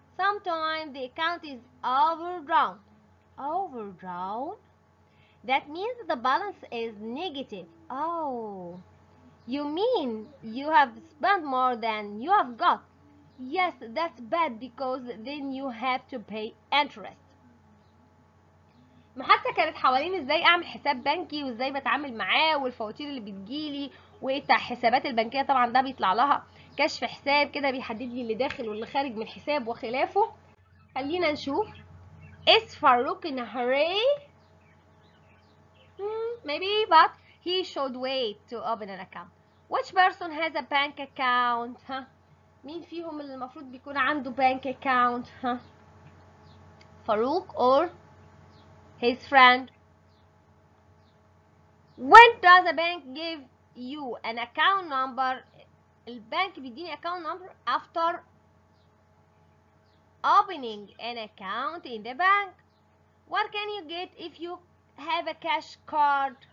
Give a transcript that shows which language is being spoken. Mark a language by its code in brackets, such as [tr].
[en] Sometimes the account is overdrawn. Overdrawn? That means the balance is negative. Oh, you mean you have spent more than you have got. Yes, that's bad, because then you have to pay interest. [ar] المحادثة كانت حوالين ازاي اعمل حساب بنكي وازاي بتعامل معاه والفواتير اللي بتجيلي والحسابات البنكية. طبعا ده بيطلع لها كشف حساب كده بيحدد لي اللي داخل واللي خارج من الحساب وخلافه. خلينا نشوف. [en] Is Farouk in a hurry? Maybe, but he should wait to open an account. Which person has a bank account? Huh? [ar] مين فيهم اللي المفروض بيكون عنده بانك اكاونت؟ ها فاروق [en] or his friend. When does a bank give you an account number? [ar] البنك بيديني [en] account number after opening an account in the bank. What can you get if you have a cash card?